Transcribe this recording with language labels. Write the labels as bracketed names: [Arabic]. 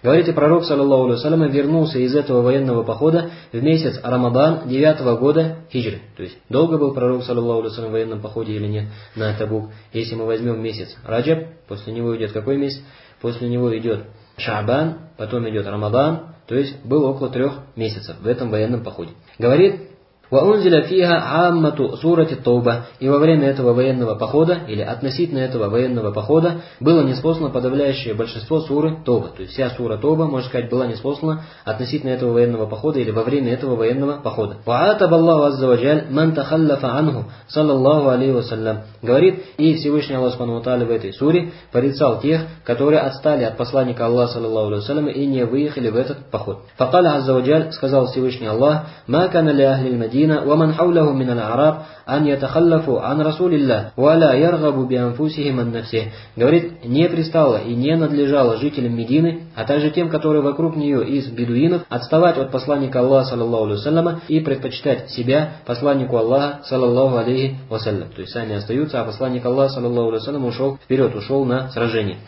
[Russian] Говорит, пророк, саллаллаху алейхи ва саллям, вернулся из этого военного похода в месяц Рамадан 9-го года хиджры. То есть долго был пророк, саллаллаху алейхи ва саллям, в военном походе или нет на Табук? Если мы возьмем месяц Раджаб, после него идет какой месяц? После него идет Шабан, потом идет Рамадан, то есть был около 3 месяцев в этом военном походе. Говорит [Arabic] وأنزل فيها عامة سورة التوبة. [Russian] И во время этого военного похода, или относительно этого военного похода, было ниспослано подавляющее большинство суры Тоба. То есть вся сура Тоба, можно сказать, была ниспослана относительно этого военного похода или во время этого военного похода. [Arabic] وعاتب الله عز وجل من تخلف عنه صلى الله عليه وسلم. [Russian] Говорит, и Всевышний Аллах Субхану ва Тааля в этой суре порицал тех, которые отстали от посланника Аллаха [Arabic] صلى الله عليه وسلم [Russian] и не выехали в этот поход. [Arabic] فقال عز وجل, [Russian] сказал Всевышний Аллах, [Arabic] ما كان لأهل المدينة ومن حولهم من العراق أن يتخلفوا عن رسول الله ولا يرغبوا بأنفسهم عن نفسه. [Russian] Говорит, не пристало и не надлежало жителям Медины, а также тем, которые вокруг нее из бедуинов, отставать от посланника Аллаха саллаллаху алейхи ва саллям и предпочитать себя посланнику Аллаха саллаллаху алейхи ва саллям. То есть сами остаются, а посланник Аллаха саллаллаху алейхи ва саллям ушел вперед, ушел на сражение.